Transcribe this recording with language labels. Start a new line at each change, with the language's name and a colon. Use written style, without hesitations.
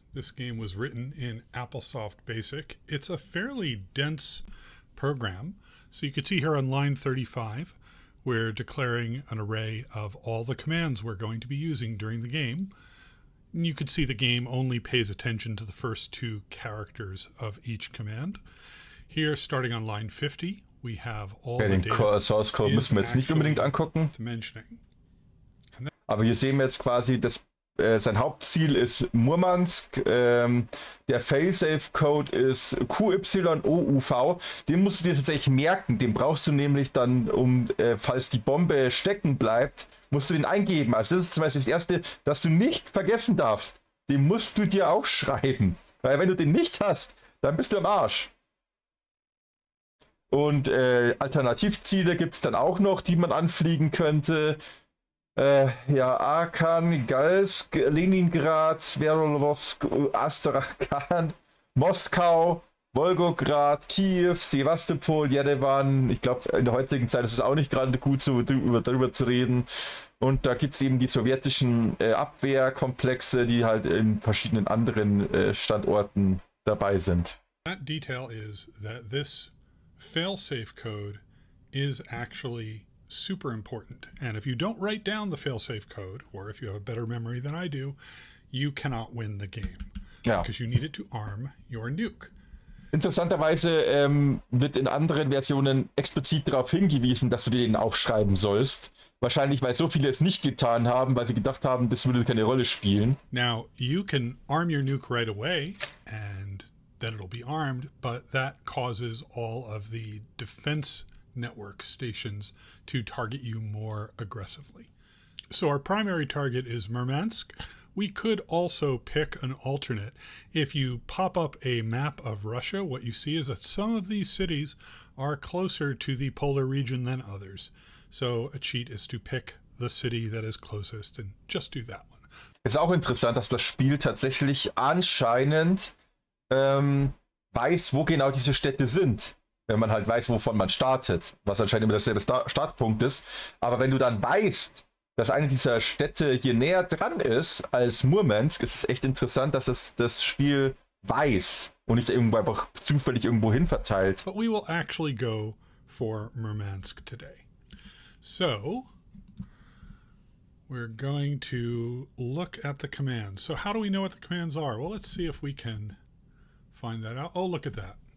English: This game was written in AppleSoft Basic. It's a fairly dense program. So you can see here on line 35, we're declaring an array of all the commands we're going to be using during the game. You could see the game only pays attention to the first two characters of each command. Here, starting on line 50, we have all the data.
German: Den Source Code müssen wir jetzt nicht unbedingt angucken. Aber hier sehen wir jetzt quasi, dass sein Hauptziel ist Murmansk. Der Failsafe Code ist QYOUV. Den musst du dir tatsächlich merken. Den brauchst du nämlich dann, um falls die Bombe stecken bleibt, musst du den eingeben. Also das ist zum Beispiel das Erste, das du nicht vergessen darfst. Den musst du dir auch schreiben. Weil wenn du den nicht hast, dann bist du am Arsch. Und Alternativziele gibt es dann auch noch, die man anfliegen könnte. Ja, Arkan, Galsk, Leningrad, Sverolovsk, Astrakhan, Moskau, Volgograd, Kiew, Sevastopol, Jerewan. Ich glaube, in der heutigen Zeit ist es auch nicht gerade gut, so darüber zu reden. Und da gibt es eben die sowjetischen Abwehrkomplexe, die halt in verschiedenen anderen Standorten dabei sind.
English: That detail is that this failsafe code is actually super important. And if you don't write down the failsafe code, or if you have a better memory than I do, you cannot win the game.
German: Ja.
English: Because you need it to arm your nuke.
German: Interessanterweise wird in anderen Versionen explizit darauf hingewiesen, dass du den aufschreiben sollst. Wahrscheinlich, weil so viele es nicht getan haben, weil sie gedacht haben, das würde keine Rolle spielen.
English: Now, you can arm your nuke right away and then it'll be armed, but that causes all of the defense network stations to target you more aggressively. So our primary target is Murmansk. We could also pick an alternate. If you pop up a map of Russia, what you see is that some of these cities are closer to the polar region than others. So a cheat is to pick the city that is closest and just do that one.
German: Ist auch interessant, dass das Spiel tatsächlich anscheinend weiß, wo genau diese Städte sind, wenn man halt weiß, wovon man startet, was anscheinend immer dasselbe Startpunkt ist. Aber wenn du dann weißt, dass eine dieser Städte hier näher dran ist als Murmansk, ist es echt interessant, dass es das Spiel weiß und nicht irgendwo einfach zufällig irgendwo hin verteilt.
English: But we will actually go for Murmansk today. So, we're going to look at the commands. So how do we know what the commands are? Well, let's see if we can find that out. Oh, look at that.